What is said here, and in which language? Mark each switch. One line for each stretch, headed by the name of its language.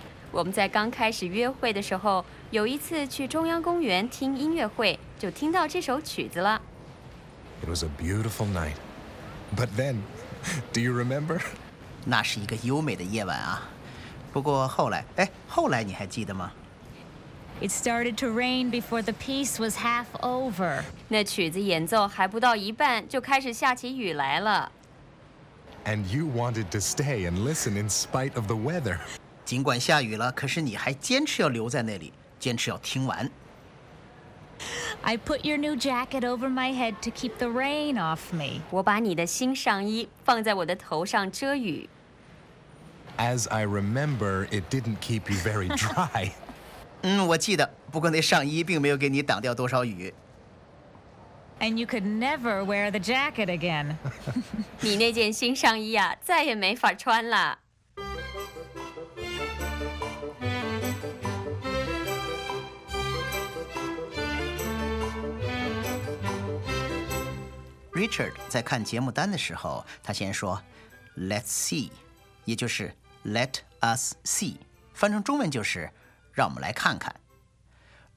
Chinese: 我们在刚开始约会的时候，有一次去中央公园听音乐会，就听到这首曲子了。
English: It was a beautiful night. But then, do you remember?
Chinese: 那是一个优美的夜晚啊。不过后来，哎，后来你还记得吗？
English: It started to rain before the piece was half over.
Chinese: 那曲子演奏还不到一半，就开始下起雨来了。
English: And you wanted to stay and listen in spite of the weather.
Chinese: 尽管下雨了，可是你还坚持要留在那里，坚持要听完。
English: I put your new jacket over my head to keep the rain off me.
Chinese: 我把你的新上衣放在我的头上遮雨。
English: As I remember, it didn't keep you very dry.
Chinese: 我记得，不过那上衣并没有给你挡掉多少雨。
English: And you could never wear the jacket again.
Chinese: 你那件新上衣啊，再也没法穿了。 Richard 在看节目单的时候，他先说
English: "Let's see"，
Chinese: 也就是
English: "Let us see"，
Chinese: 翻成中文就是"让我们来看看"。